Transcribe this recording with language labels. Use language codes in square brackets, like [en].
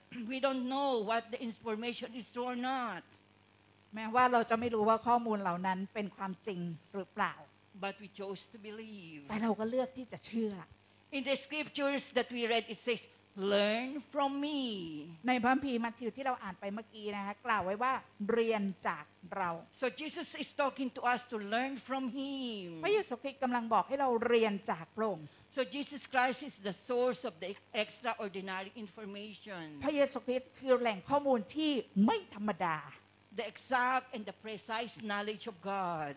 [en] we don't know what the information is true or not [th] แม้ว่าเราจะไม่รู้ว่าข้อมูลเหล่านั้นเป็นความจริงหรือเปล่า [en] but we chose to believe [th] แต่เราก็เลือกที่จะเชื่อ [en] in the scriptures that we read it says learn from me [th] ในพระคัมภีร์มัทธิวที่เราอ่านไปเมื่อกี้นะคะกล่าวไว้ว่าเรียนจากเรา [en] So Jesus is talking to us to learn from him [th] พระเยซูคริสต์กําลังบอกให้เราเรียนจากพระองค์ [en] So Jesus Christ is the source of the extraordinary information [th] พระเยซูคริสต์คือแหล่งข้อมูลที่ไม่ธรรมดา [en] The exact and the precise knowledge of God